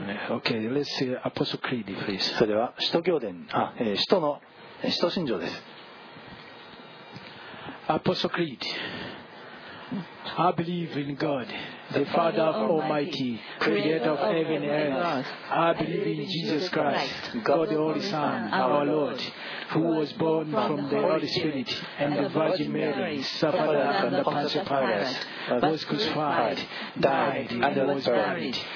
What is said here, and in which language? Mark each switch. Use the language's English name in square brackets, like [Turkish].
[English] Okay, let's see Apostle Creed, please. [Japanese] それでは使徒行伝、使徒の使徒信条です。 [English] Apostle Creed. I believe in God, the Father of Almighty, Creator of heaven and earth. I believe in Jesus Christ, God the Holy Son, our Lord. Who was born from the Holy Spirit and the Virgin Mary, suffered under Pontius Pilate, was crucified, died, and was buried.